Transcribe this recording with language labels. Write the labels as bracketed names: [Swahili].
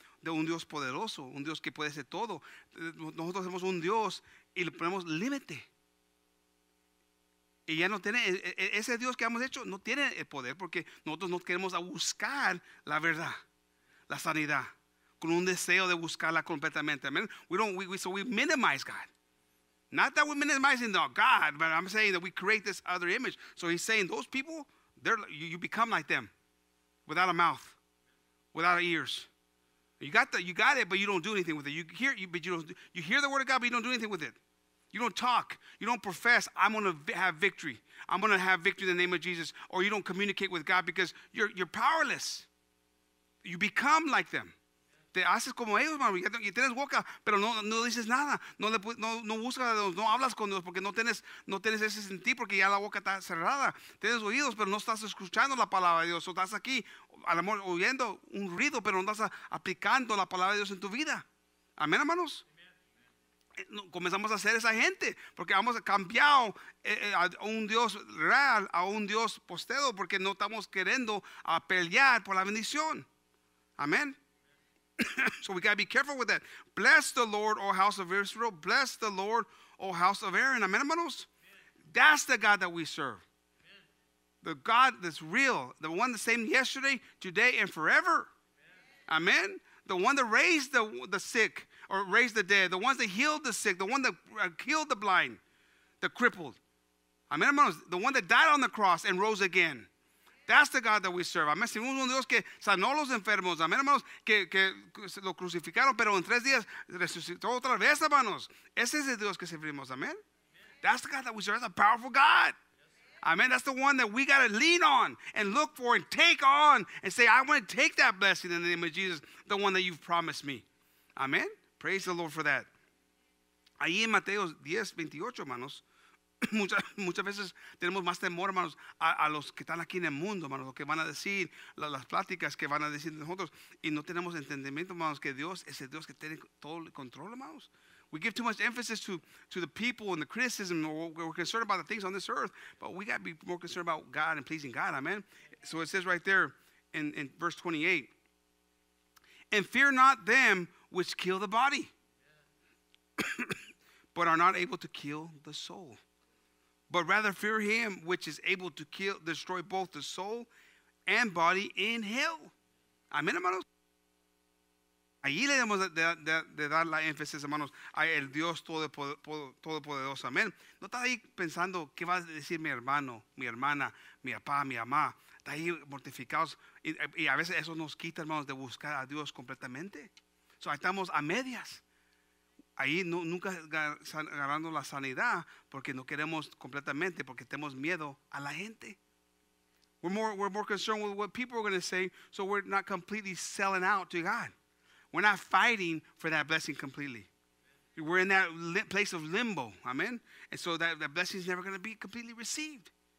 [Spanish] De un Dios poderoso, un Dios que puede hacer todo. Nosotros tenemos un Dios y le ponemos límite. Y ya no tiene, ese Dios que hemos hecho no tiene el poder porque nosotros no queremos a buscar la verdad, la sanidad, con un deseo de buscarla completamente. [English] Amen. So we minimize God. Not that we're minimizing the God, but I'm saying that we create this other image. So he's saying those people, you become like them without a mouth, without ears. You got it, but you don't do anything with it. You hear the word of God, but you don't do anything with it. You don't talk. You don't profess, I'm going to have victory. I'm going to have victory in the name of Jesus. Or you don't communicate with God because you're powerless. You become like them. [Spanish] Te haces como ellos, mami. Y tienes boca, pero no dices nada. No buscas a Dios. No hablas con Dios porque no tienes ese sentido porque ya la boca está cerrada. Tienes oídos, pero no estás escuchando la palabra de Dios. O estás aquí, a lo mejor, oyendo un ruido, pero no estás aplicando la palabra de Dios en tu vida. Amén, hermanos. Amen. Comenzamos a ser esa gente porque hemos cambiado a un Dios real a un Dios postero porque no estamos queriendo a pelear por la bendición. Amén. [English] So we got to be careful with that. Bless the Lord, O house of Israel. Bless the Lord, O house of Aaron. Amen, hermanos? Amen. That's the God that we serve. Amen. The God that's real. The one the same yesterday, today, and forever. Amen? Amen? The one that raised the sick or raised the dead. The ones that healed the sick. The one that killed the blind, the crippled. Amen, hermanos? The one that died on the cross and rose again. That's the God that we serve. [Spanish] Amén. Seguimos un Dios que sanó los enfermos. Amén, hermanos. Que lo crucificaron, pero en tres días resucitó otra vez, hermanos. Ese es el Dios que servimos. [English] Amén. That's the God that we serve. That's a powerful God. Amén. That's the one that we got to lean on and look for and take on and say, I want to take that blessing in the name of Jesus, the one that you've promised me. [Spanish] Amén. [English] Praise the Lord for that. [Spanish] Ahí en Mateo 10:28, hermanos. Muchas veces tenemos más temor, hermanos, a los que están aquí en el mundo, hermanos, lo que van a decir, las pláticas que van a decir nosotros, y no tenemos entendimiento, hermanos, que Dios es el Dios que tiene todo el control, hermanos. [English] We give too much emphasis to the people and the criticism, or we're concerned about the things on this earth, but we got to be more concerned about God and pleasing God, amen? So it says right there in verse 28, and fear not them which kill the body, but are not able to kill the soul. But rather fear him which is able to kill, destroy both the soul and body in hell. [Spanish] Amén, hermanos. Allí le debemos de dar la énfasis, hermanos, a el Dios todopoderoso. Amén. No está ahí pensando qué va a decir mi hermano, mi hermana, mi papá, mi mamá. Está ahí mortificados. Y a veces eso nos quita, hermanos, de buscar a Dios completamente. So, ahí estamos a medias. Ahí no, nunca ganando la sanidad porque no queremos completamente porque tenemos miedo a la gente. [English] We're more concerned with what people are going to say, so we're not completely selling out to God. We're not fighting for that blessing completely. We're in that place of limbo, amen? And so that blessing is never going to be completely received.